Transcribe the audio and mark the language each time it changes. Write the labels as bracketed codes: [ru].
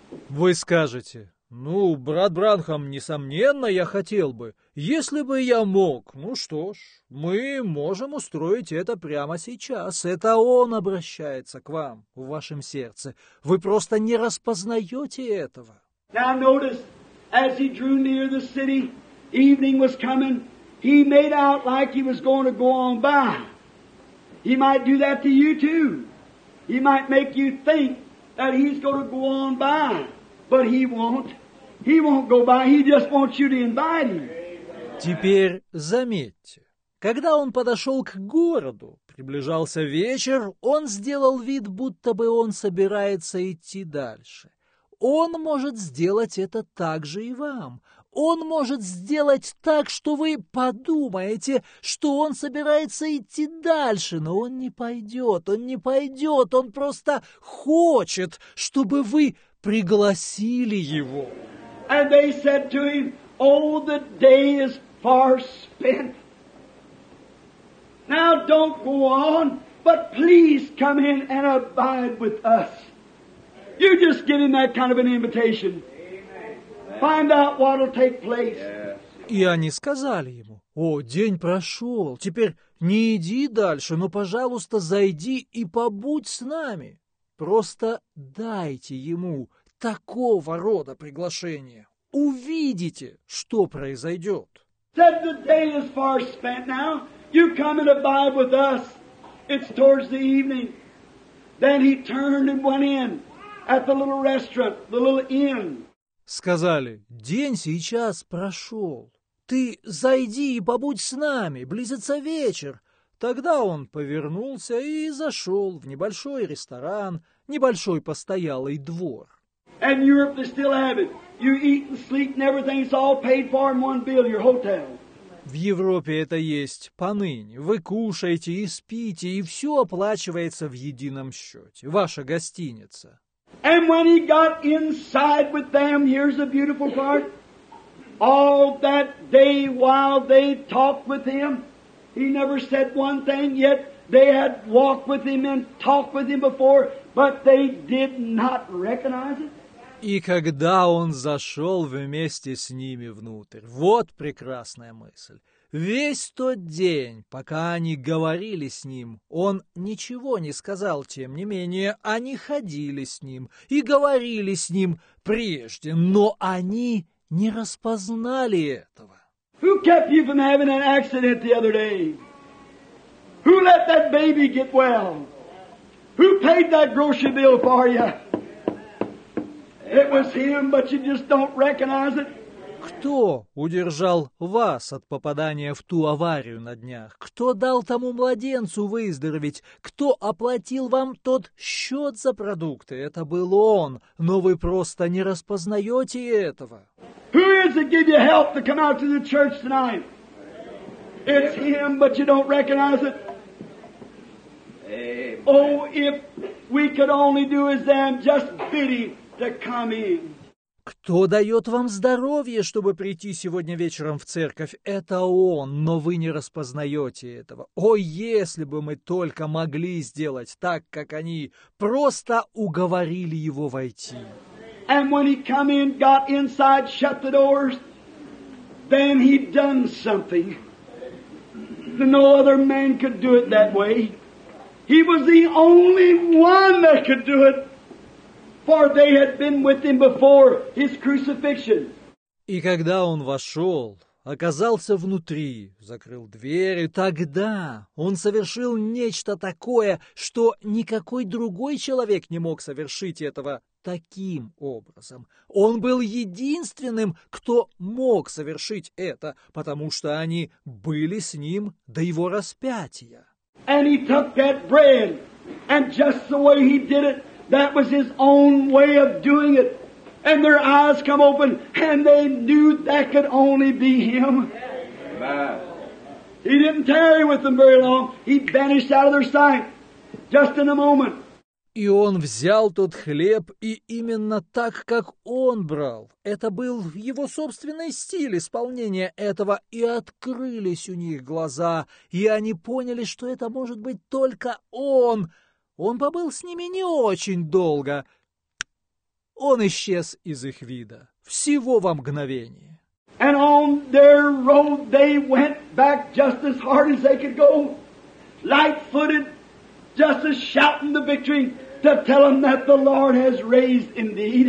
[ru] Вы скажете, ну, брат Бранхам, несомненно, я хотел бы. Если бы я мог, ну что ж, мы можем устроить это прямо сейчас. Это он обращается к вам в вашем сердце. Вы просто не распознаете этого. [en] Now notice, as he drew near the city, evening was coming, he made out like he was going to go on by. He might do that to you too. He might make you think that he's going to go on by. But he won't. He won't go by. He just wants you to invite him. [ru] Теперь заметьте, когда он подошел к городу, приближался вечер, он сделал вид, будто бы он собирается идти дальше. Он может сделать это также и вам. Он может сделать так, что вы подумаете, что он собирается идти дальше, но он не пойдет, он не пойдет, он просто хочет, чтобы вы пригласили его. [en] And they said to him, oh, the day is far spent. Now don't go on, but please come in and abide with us. You just give him that kind of an invitation. Find out what'll take place. [ru] И они сказали ему, о, день прошел, теперь не иди дальше, но, пожалуйста, зайди и побудь с нами. Просто дайте ему такого рода приглашение. Увидите, что произойдет. [en] Said the day is far spent now. You come and abide with us. It's towards the evening. Then he turned and went in at the little restaurant, the little inn. [ru] Сказали, день сейчас прошел, ты зайди и побудь с нами, близится вечер. Тогда он повернулся и зашел в небольшой ресторан, небольшой постоялый двор. [en] And Europe, they still have it. You eat and sleep and everything's all paid for in one bill, your hotel. [ru] В Европе это есть поныне. Вы кушаете и спите, и все оплачивается в едином счете. Ваша гостиница. [en] And when he got inside with them, here's the beautiful part. All that day while they talked with him, he never said one thing, yet they had walked with him and talked with him before, but they did not recognize it. [ru] И когда он зашел вместе с ними внутрь, вот прекрасная мысль. Весь тот день, пока они говорили с ним, он ничего не сказал, тем не менее, они ходили с ним и говорили с ним прежде, но они не распознали этого. [en] Who kept you from having an accident the other day? Who let that baby get well? Who paid that grocery bill for you? It was him, but you just don't recognize it. [ru] Кто удержал вас от попадания в ту аварию на днях? Кто дал тому младенцу выздороветь? Кто оплатил вам тот счет за продукты? Это был он, но вы просто не распознаете этого. [en] Who is it give you help to come out to the church tonight? It's him, but you don't recognize it. Oh, if we could only do as them, just bid him to come in. [ru] Кто дает вам здоровье, чтобы прийти сегодня вечером в церковь? Это он, но вы не распознаете этого. О, если бы мы только могли сделать так, как они, просто уговорили его войти. [en] And when he come in, got inside, shut the doors, then he done something. No other man could do it that way. He was the only one that could do it. For they had been with him before his crucifixion. [ru] И когда он вошел, оказался внутри, закрыл дверь, и тогда он совершил нечто такое, что никакой другой человек не мог совершить этого таким образом. Он был единственным, кто мог совершить это, потому что они были с ним до его распятия. [en] And he took that bread, and just the way he did it, that was his own way of doing it. And their eyes come open, and they knew that could only be Him. Amen. He didn't tarry with them very long. He vanished out of their sight just in a moment. [ru] И он взял тот хлеб, и именно так, как он брал. Это был его собственный стиль исполнения этого, и открылись у них глаза, и они поняли, что это может быть только он. Он побыл с ними не очень долго. Он исчез из их вида. Всего во мгновение. [en] And on their road they went back just as hard as they could go, light-footed, just as shouting the victory. To tell them that the Lord has raised indeed.